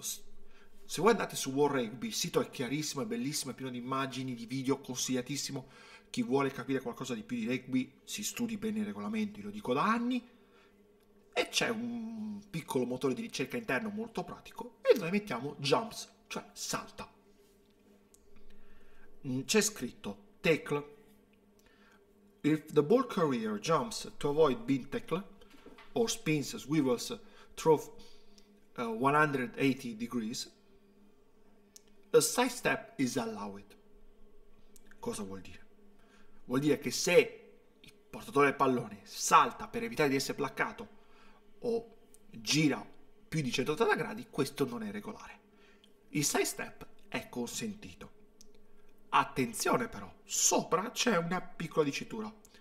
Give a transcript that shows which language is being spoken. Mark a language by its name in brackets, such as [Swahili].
[Italian] Se voi andate su World Rugby, il sito è chiarissimo, è bellissimo, è pieno di immagini, di video, consigliatissimo. Chi vuole capire qualcosa di più di rugby si studi bene i regolamenti, lo dico da anni, e c'è un piccolo motore di ricerca interno molto pratico e noi mettiamo jumps, cioè salta. C'è scritto tackle. [English] If the ball carrier jumps to avoid being tackled or spins, swivels, through 180 degrees, a sidestep is allowed. [Italian] Cosa vuol dire? Vuol dire che se il portatore del pallone salta per evitare di essere placcato o gira più di 180 gradi, questo non è regolare. Il sidestep è consentito. Attenzione però, sopra c'è una piccola dicitura.